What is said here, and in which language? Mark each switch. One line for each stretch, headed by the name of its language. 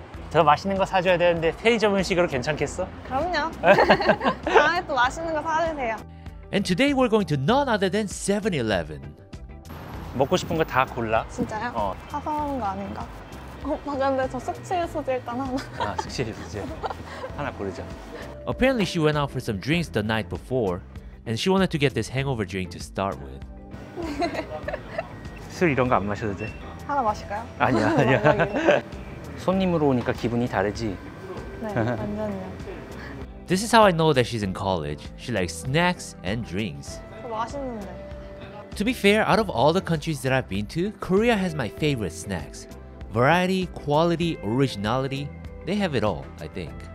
Korean: 더 맛있는 거 사줘야 되는데 편의점 음식으로 괜찮겠어? 그럼요. 다음에 또 맛있는 거 사주세요.
English: And today we're going to none other than 7-Eleven.
Korean: 먹고 싶은 거 다 골라. 진짜요? 어. 파산하는 거 아닌가? 어, 맞아. 근데 저 숙취해소제 일단 하나. 아, 숙취해소제. 하나 고르자.
English: Apparently she went out for some drinks the night before, and she wanted to get this hangover drink to start with.
Korean: 술 이런 거 안 마셔도 돼? 하나 마실까요? 아니야, 아니야. 손님으로 오니까 기분이 다르지? 네, 완전요.
English: This is how I know that she's in college. She likes snacks and drinks.
Korean: 맛있는데.
English: To be fair, out of all the countries that I've been to, Korea has my favorite snacks. Variety, quality, originality, they have it all, I think.